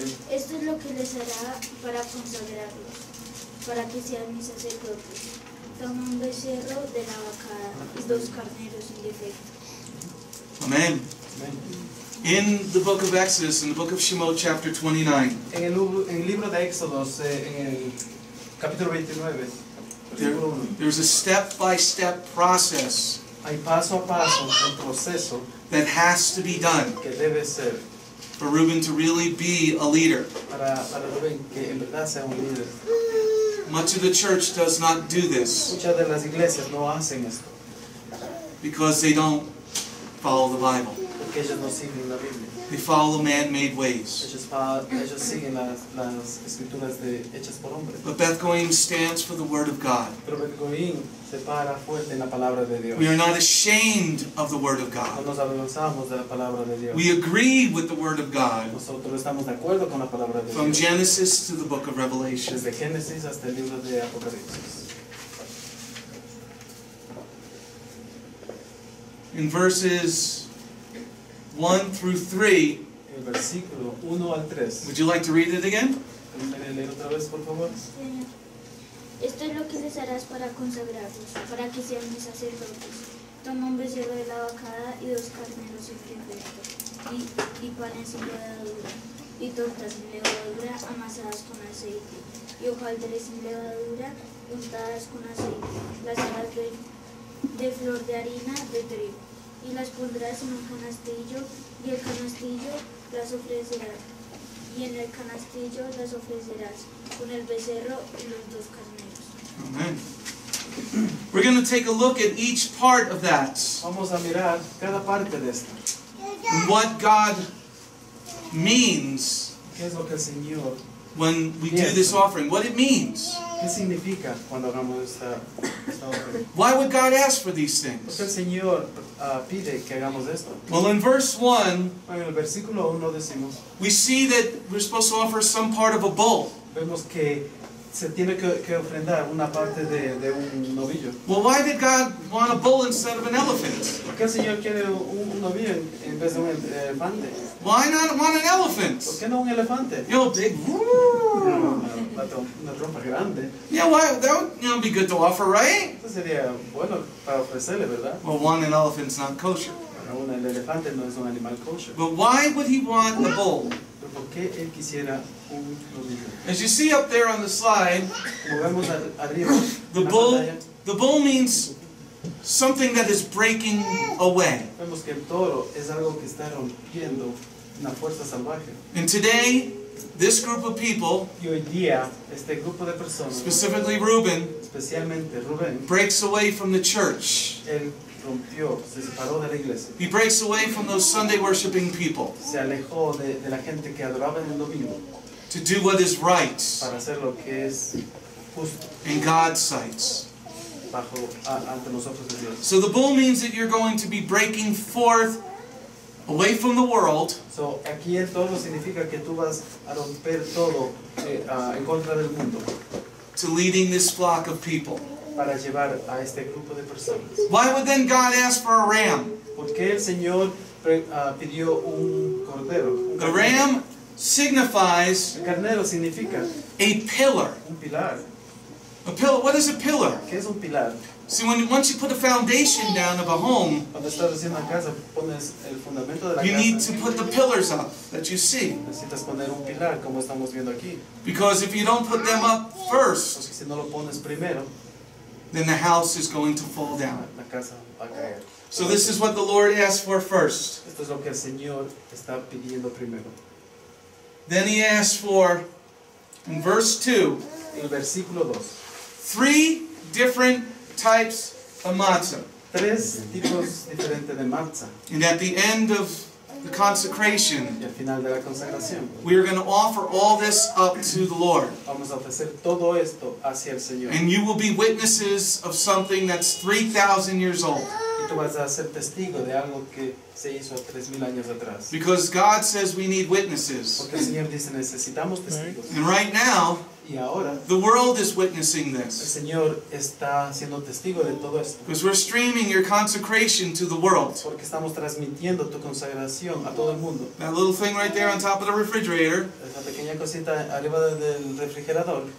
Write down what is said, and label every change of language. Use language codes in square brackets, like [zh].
[es] Esto es lo que les hará para consagrarlos, para que sean mis sacerdotes. Toma un becerro de la vaca y dos carneros sin defecto. Amén. [en] In the book of Exodus, in the book of Shemot, chapter 29. [es] En el libro de Éxodos, en el capítulo 29. [en] There's a step-by-step process. [es] Hay paso a paso, un proceso [en] that has to be done [es] que debe ser [en] for Reuben to really be a leader. [es] Para Reuben que en verdad sea un líder. [en] Much of the church does not do this. [es] Muchas de las iglesias no hacen esto. [en] Because they don't follow the Bible. [es] Porque ellos no siguen la Biblia. [en] They follow man-made ways. [es] Ellos siguen las escrituras de, hechas por hombres. [en] But Beth Goyim stands for the Word of God. [es] Pero Beth Goyim se para fuerte en la palabra de Dios. [en] We are not ashamed of the Word of God. [es] No nos avergonzamos de la palabra de Dios. [en] We agree with the Word of God. [es] Nosotros estamos de acuerdo con la palabra de Dios. [en] From Genesis to the book of Revelation. [es] Desde Génesis hasta el libro de Apocalipsis. [en] In verses 1 through 3, [es] el versículo 1 al 3, [en] would you like to read it again? [es] Leer otra vez, por favor. Esto es lo que les harás para consagrarlos, para que sean mis sacerdotes. Toma un becerro de la vacada y dos carneros sin defecto, y panes sin levadura, y tortas sin levadura amasadas con aceite, y hojaldres sin levadura untadas con aceite. Las harás de flor de harina de trigo, y las pondrás en un canastillo, y el canastillo las ofrecerás. Y en el canastillo las ofrecerás con el becerro y los dos carneros. Amen. [en] We're going to take a look at each part of that. [es] Vamos a mirar cada parte de esto. [en] And what God means. [es] ¿Qué es lo que el Señor [en] when we [es] piensa [en] do this offering? What it means. [es] ¿Qué significa cuando hagamos esta ofrenda? [en] Why would God ask for these things? [es] ¿Por qué el Señor pide que hagamos esto? [en] Well, in verse 1, [es] en el versículo 1 decimos, [en] we see that we're supposed to offer some part of a bull. [es] Vemos que se tiene que ofrendar una parte de un novillo. [en] Well, why did God want a bull instead of an elephant? [es] ¿Por qué el Señor quiere un novillo en vez de un elefante? [en] Why not want an elephant? [es] ¿Por qué no un elefante? [en] You know, big. [es] Una trompa grande. [en] Yeah, why? Well, that would, you know, be good to offer, right? [es] Eso sería bueno para ofrecerle, ¿verdad? [en] Well, one an elephant's not kosher. [es] Pero un elefante no es un animal kosher. [en] But why would he want the bull? [es] ¿Por qué él quisiera un novillo? [en] As you see up there on the slide, [es] movemos arriba. [en] The bull means something that is breaking away. [es] Vemos que el toro es algo que está rompiendo una fuerza salvaje. [en] And today, this group of people, [es] y hoy día, este grupo de personas, [en] specifically Reuben, [es] especialmente Reuben, [en] breaks away from the church. [es] Él rompió, se separó de la iglesia. [en] He breaks away from those Sunday worshiping people. [es] Se alejó de la gente que adoraba en el domingo. [en] To do what is right. [es] Para hacer lo que es justo. [en] In God's sight. [es] Ante los ojos de Dios. [en] So the bull means that you're going to be breaking forth away from the world. So [es] aquí el toro significa que tú vas a romper todo en contra del mundo. [en] To leading this flock of people. [es] Para llevar a este grupo de personas. [en] Why would then God ask for a ram? [es] ¿Por qué el Señor pidió un cordero? [en] The ram signifies. [es] El carnero significa. [en] A pillar. [es] Un pilar. [en] A pillar. What is a pillar? [es] ¿Qué es un pilar? [en] See, when once you put a foundation down of a home, [es] cuando estás haciendo la casa, pones el fundamento de la [en] you [es] casa. [en] Need to put the pillars up that you see. [es] Necesitas poner un pilar, como estamos viendo aquí. [en] Because if you don't put them up first, [es] o sea, si no lo pones primero, [en] then the house is going to fall down. [es] La casa va a caer. [en] So this is what the Lord asked for first. [es] Esto es lo que el Señor está pidiendo primero. [en] Then he asked for, in verse 2, [es] el versículo 2, [en] three different types of matzah. [es] Tres tipos diferentes de matzah. [en] And at the end of the consecration, [es] y al final de la consagración, [en] we are going to offer all this up to the Lord. [es] Vamos a ofrecer todo esto hacia el Señor. [en] And you will be witnesses of something that's 3,000 years old. [es] Y tú vas a ser testigo de algo que se hizo 3,000 años atrás. [en] Because God says we need witnesses. [es] Porque el Señor dice necesitamos testigos. [en] And right now, [es] y ahora, [en] the world is witnessing this. [es] El Señor está siendo testigo de todo esto. [en] Because we're streaming your consecration to the world. [es] Porque estamos transmitiendo tu consagración a todo el mundo. [en] That little thing right there on top of the refrigerator, [es] esa pequeña cosita arriba del refrigerador,